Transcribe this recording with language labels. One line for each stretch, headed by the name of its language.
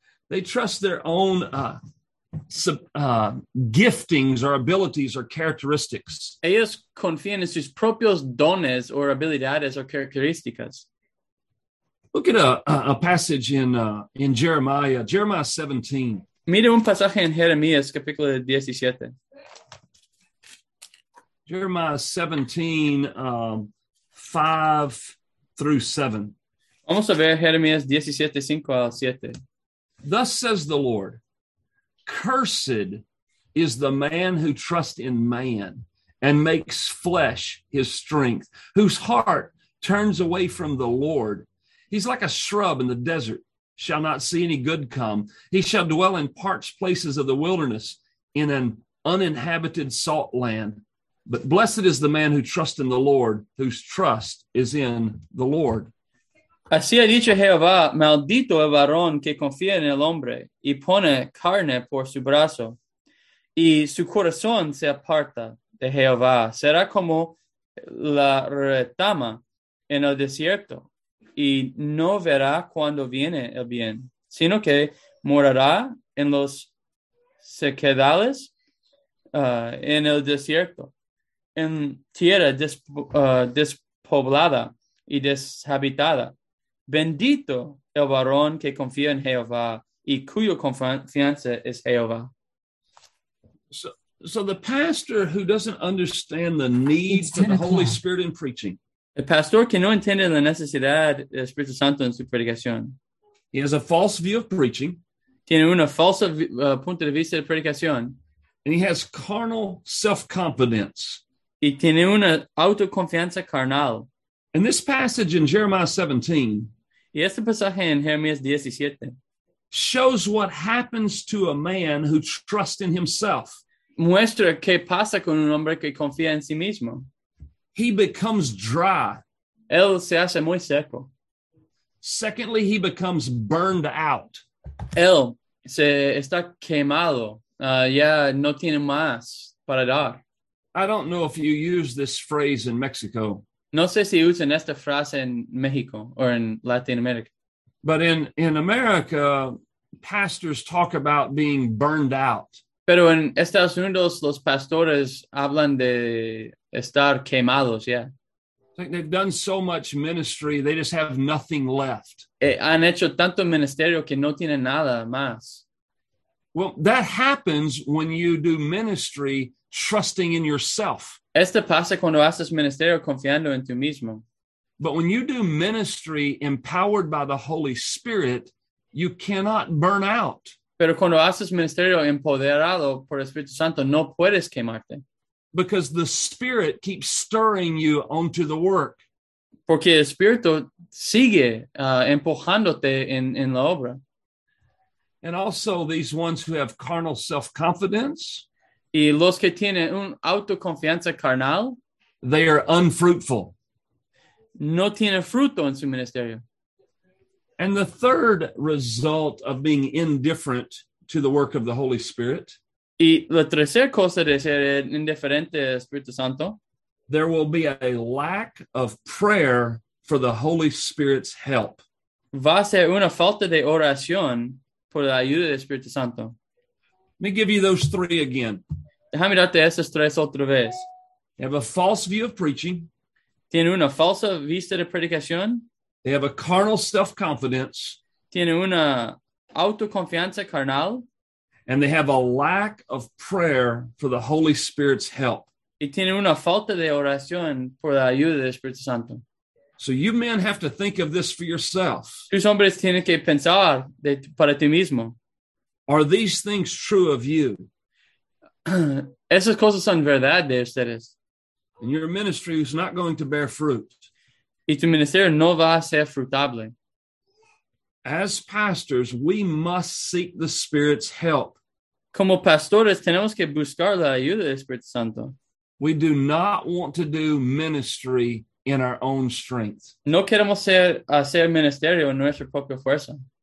English: They trust their own giftings or abilities or characteristics.
Spanish: Ellos confían en sus propios dones o habilidades o características.
English: Look at a passage in Jeremiah, Jeremiah 17.
Spanish: Mira un pasaje en Jeremías, capítulo 17.
English: Jeremiah 17, 5-7.
Spanish: Vamos a ver Jeremías 17, 5 al 7.
English: Thus says the Lord, cursed is the man who trusts in man and makes flesh his strength, whose heart turns away from the Lord. He's like a shrub in the desert, shall not see any good come. He shall dwell in parched places of the wilderness in an uninhabited salt land. But blessed is the man who trusts in the Lord, whose trust is in the Lord.
Spanish: Así ha dicho Jehová, maldito el varón que confía en el hombre y pone carne por su brazo, y su corazón se aparta de Jehová. Será como la retama en el desierto, y no verá cuando viene el bien, sino que morará en los sequedales en el desierto, en tierra despoblada y deshabitada. Bendito el varón que confía en Jehová y cuya confianza es Jehová.
English: So the pastor who doesn't understand the need for the Holy Spirit in preaching.
Spanish: El pastor que no entiende la necesidad del Espíritu Santo en su predicación.
English: He has a false view of preaching.
Spanish: Tiene una falsa punto de vista de predicación.
English: And he has carnal self-confidence.
Spanish: Y tiene una autoconfianza carnal.
English: And this passage in Jeremiah 17.
Spanish: Y este pasaje en Jeremías 17.
English: Shows what happens to a man who trusts in himself.
Spanish: Muestra qué pasa con un hombre que confía en sí mismo.
English: He becomes dry.
Spanish: Él se hace muy seco.
English: Secondly, he becomes burned out.
Spanish: Él se está quemado. Ya no tiene más para dar.
English: I don't know if you use this phrase in Mexico.
Spanish: No sé si usan esta frase en México o en Latin America.
English: But in America, pastors talk about being burned out.
Spanish: Pero en Estados Unidos, los pastores hablan de estar quemados, yeah.
English: Like they've done so much ministry, they just have nothing left.
Spanish: Han hecho tanto ministerio que no tienen nada más.
English: Well, that happens when you do ministry trusting in yourself.
Spanish: Esto pasa cuando haces ministerio confiando en tú mismo.
English: But when you do ministry empowered by the Holy Spirit, you cannot burn out.
Spanish: Pero cuando haces ministerio empoderado por el Espíritu Santo, no puedes quemarte.
English: Because the Spirit keeps stirring you onto the work.
Spanish: Porque el Espíritu sigue empujándote en la obra.
English: And also these ones who have carnal self-confidence.
Spanish: Y los que tienen una autoconfianza carnal.
English: They are unfruitful.
Spanish: No tiene fruto en su ministerio.
English: And the third result of being indifferent to the work of the Holy Spirit.
Spanish: Y la tercera cosa de ser indiferente al Espíritu Santo.
English: There will be a lack of prayer for the Holy Spirit's help.
Spanish: Va a ser una falta de oración por la ayuda del Espíritu Santo.
English: Let me give you those three again.
Spanish: Déjame darte esas tres otra vez.
English: You have a false view of preaching.
Spanish: Tiene una falsa vista de predicación.
English: They have a carnal self-confidence.
Spanish: Tiene una autoconfianza carnal.
English: And they have a lack of prayer for the Holy Spirit's help.
Spanish: Y tiene una falta de oración por la ayuda del Espíritu Santo.
English: So you men have to think of this for yourself.
Spanish: Tus hombres tienen que pensar de, para ti mismo.
English: Are these things true of you?
Spanish: Esas cosas son verdad de ustedes.
English: And your ministry is not going to bear fruit.
Spanish: Y tu ministerio no va a ser frutable.
English: As pastors, we must seek the Spirit's help.
Spanish: Como pastores, tenemos que buscar la ayuda del Espíritu Santo.
English: We do not want to do ministry in our own strength.
Spanish: No queremos hacer ministerio en nuestra propia fuerza.